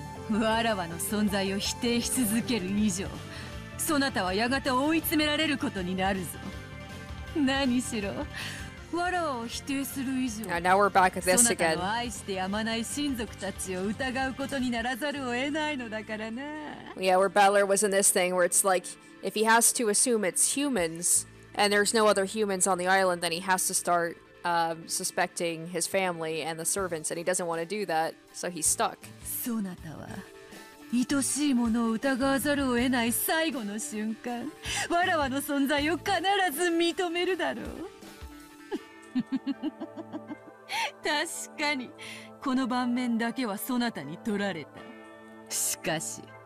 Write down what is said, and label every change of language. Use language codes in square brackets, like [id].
[ja] わらわの存在を否定し続ける以上、そなたはやがて追い詰められることになるぞ。何しろわらわを否定する以上、 [en] Now we're back at this again. [ja] そなたの愛してやまない親族たちを疑うことにならざるを得ないのだからな。 [en] Yeah, where Balor was in this thing where it's like, if he has to assume it's humans and there's no other humans on the island, then he has to start suspecting his family and the servants, and he doesn't want to do that, so he's stuck. [ja] そなたは愛しいものを疑わざるを得ない最後の瞬間、わらわの存在を必ず認めるだろう。確かにこの盤面だけはそなたに取られた。しかし